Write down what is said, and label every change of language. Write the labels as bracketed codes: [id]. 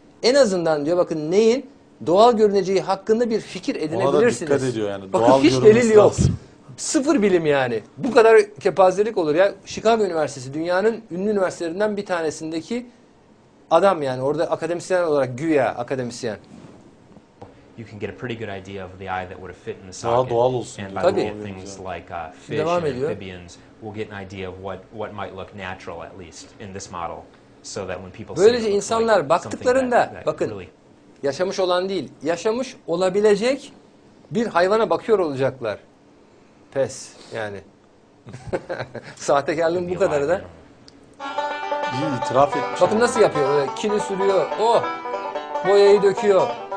[tr] En azından diyor bakın neyin doğal görüneceği hakkında bir fikir edinebilirsiniz. Ona da dikkat ediyor yani. Bakın doğal hiç delil yok. Sıfır bilim yani. Bu kadar kepazelik olur ya. Chicago Üniversitesi dünyanın ünlü üniversitelerinden bir tanesindeki adam yani. Orada akademisyen olarak güya akademisyen. [en] You can get a pretty good idea of the eye that would fit in the socket. [tr] Daha doğal olsun. Tabii. [en] Things like fish and amphibians will get an idea of what might look natural at least in this model. So that when people [tr] böylece insanlar baktıklarında bakın yaşamış olan değil, yaşamış olabilecek bir hayvana bakıyor olacaklar. Pes yani. Sahtekarlığın bu kadarı da. Bir itiraf etmiş. Bakın nasıl yapıyor. Kili sürüyor. Oh! Boyayı döküyor.